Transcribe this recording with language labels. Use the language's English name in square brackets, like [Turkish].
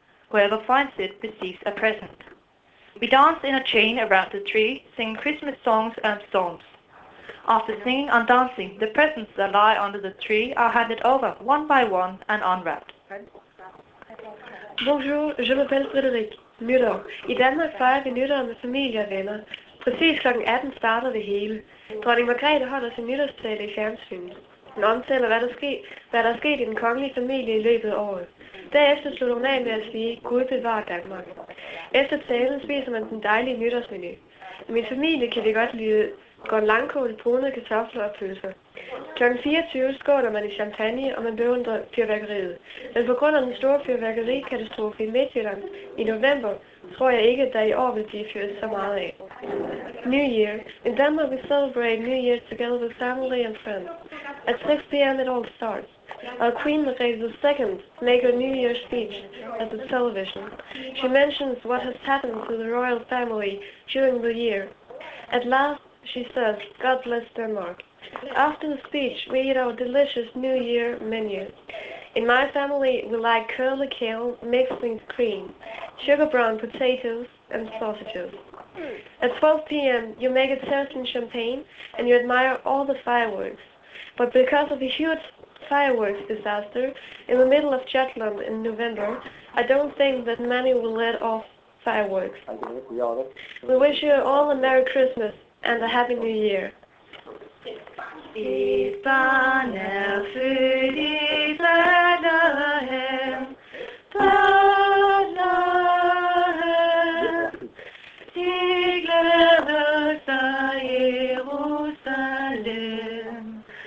[English] Whoever finds it receives a present. We dance in a chain around the tree, sing Christmas songs and psalms. After singing and dancing, the presents that lie under the tree are handed over one by one and unwrapped. [French] Bonjour, je m'appelle Frédéric. Nytår. [Danish] I Danmark fejrer vi nytår med familie og venner. Præcis kl. 18 starter det hele. Dronning Margrethe holder sin nytårstale i fjernsynet. Hun omtaler, hvad der er sket i den kongelige familie i løbet af året. Derefter slutter hun af med at sige, Gud bevare Danmark. Efter talen spiser man den dejlige nytårsmenu. I min familie kan det godt lide grøn langkål, brune kartofler og pølser. Kl. 24 skåler man i champagne, og man beundrer fyrværkeriet. Men på grund af den store fyrværkerikatastrofe i Midtjylland i november, tror jeg ikke, at der i år vil blive fyret så meget af. [English] New Year. In Denmark, we celebrate New Year together with family and friends. At 6 p.m. it all starts. Our Queen Margrethe II makes a New Year speech at the television. She mentions what has happened to the royal family during the year. At last, she says, God bless Denmark. After the speech, we eat our delicious New Year menu. In my family, we like curly kale mixed with cream, sugar brown potatoes, and sausages. At 12 p.m., you make a toast in champagne, and you admire all the fireworks. But because of a huge fireworks disaster in the middle of Jutland in November, I don't think that many will let off fireworks. We wish you all a Merry Christmas and a Happy New Year. [German] Ich bin er für die Bethlehem, Bethlehem, die Glöße Jerusalem.